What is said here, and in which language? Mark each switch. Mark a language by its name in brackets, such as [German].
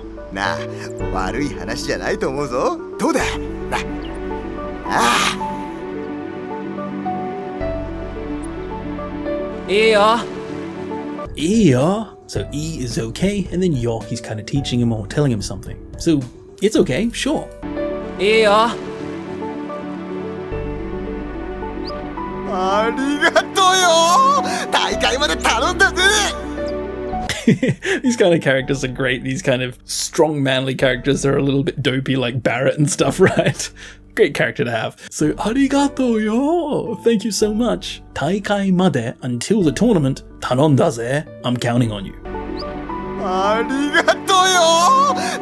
[Japanese] Nah, 悪い話じゃないと思うぞ.どうだ, nah. Ah! いいよ。いいよ. [English] So E is okay, and then yo, he's kind of teaching him or telling him something. So it's okay, sure. [Japanese] いいよ。ありがとうよ。大会まで頼んだぜ。 [English] These kind of characters are great. These kind of strong, manly characters are a little bit dopey, like Barrett and stuff, right? Great character to have. So, [Japanese] arigatou-yo! [English] Thank you so much! [Japanese] Taikai made, [English] until the tournament, [Japanese] tanondaze, [English] I'm counting on you. [Japanese] Arigatou-yo!